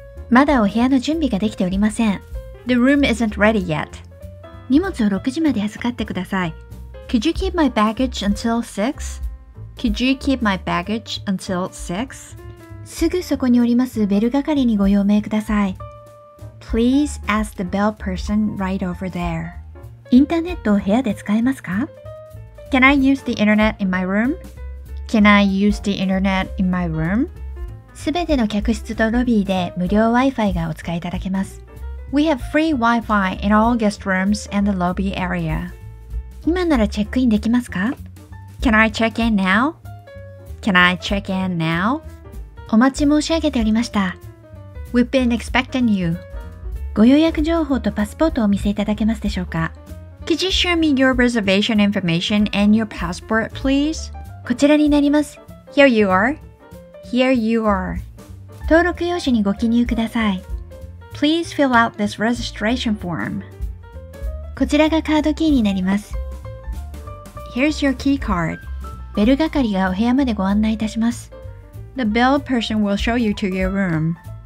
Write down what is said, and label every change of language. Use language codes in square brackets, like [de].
[ja] まだお部屋の準備ができておりません。 [en] The room isn't ready yet. [ja] 荷物を6時まで預かってください。 [en] Could you keep my baggage until 6? Could you keep my baggage until 6? [ja] すぐそこにおりますベル係にご用命ください。 [en] Please ask the bell person right over there. [ja] インターネットを部屋で使えますか? [en] Can I use the internet in my room? Can I use the internet in my room? [ja] すべての客室とロビーで無料 Wi-Fi がお使いいただけます。 [en] We have free Wi-Fi in all guest rooms and the lobby area. [ja] 今ならチェックインできますか? [en] Can I check in now? Can I check in now? [ja] お待ち申し上げておりました。 [en] We've been expecting you. [ja] ご予約情報とパスポートをお見せいただけますでしょうか? [en] Could you show me your reservation information and your passport, please? [ja] こちらになります。 [en] Here you are. Here you are. [ja] 登録用紙にご記入ください。 [en] Please fill out this registration form. [ja] こちらがカードキーになります。 [en] Here's your key card. [ja] ベル係がお部屋までご案内いたします。 [en] The bell person will show you to your room.